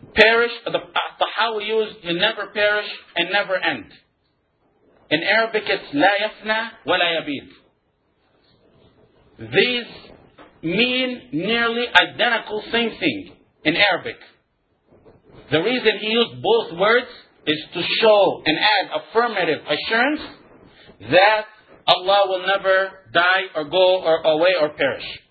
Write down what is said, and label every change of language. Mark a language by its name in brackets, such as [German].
[English] Perish, the Tahawi used, you never perish and never end. In Arabic, it's [Arabic] لا يفنى ولا يبيد. [English] These mean nearly identical same thing in Arabic. The reason he used both words is to show and add affirmative assurance that Allah will never die or go or away or perish.